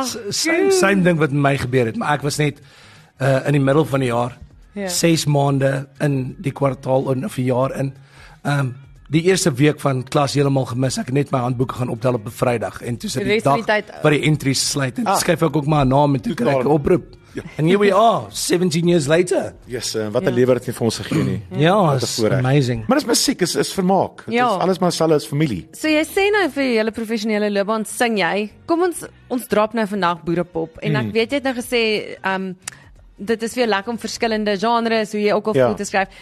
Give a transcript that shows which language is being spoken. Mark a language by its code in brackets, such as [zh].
[af] Same ding wat met my gebeur het, maar ek was net in die middel van die jaar, 6 maande in die kwartaal en of 'n jaar in. Die eerste week van klas helemaal gemis. Ek het net my handboeke gaan optel op 'n Vrydag en toe sit die dag wat die entries sluit en skryf ek ook my naam en toe kry ek 'n oproep. [en] And here we are, 17 years later. [af] Yes, wat 'n lewer het jy vir ons gegee nie. Ja, [en] it's amazing. [af] Maar dis musiek, is vermaak. Dit is alles maar selfs familie. So jy sê nou vir julle professionele loopbaan sing jy. Kom ons drop nou vandag boerepop en ek weet jy het nou gesê dit is weer lekker om verskillende genres, hoe jy ook al goed te skryf.